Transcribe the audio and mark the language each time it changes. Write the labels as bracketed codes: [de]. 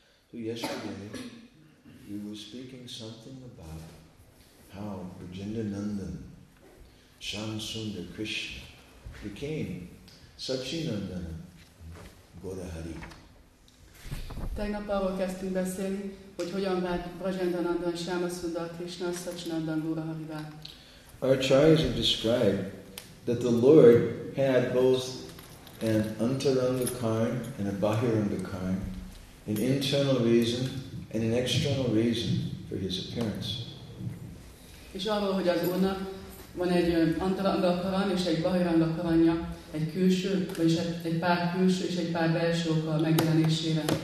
[en] So yesterday, we were speaking something about how Brajendranandan, Shamsundar Krishna, became Sachinandana, Gaurahari. [hu] Tegnap arról kezdtünk beszélni, hogy hogyan vált Brajendranandan Shyamasundara Krishna Sachinandan Gaurahariká. [en] Our acharyas have described that the Lord had both an antaranga karn and a bahiranga karn an internal reason and an external reason for his appearance. [hu] És arról, hogy az Úrnak van egy antaranga karan és egy bahiranga karanja, egy külső, vagyis egy pár külső és egy pár belső ok a megjelenésére.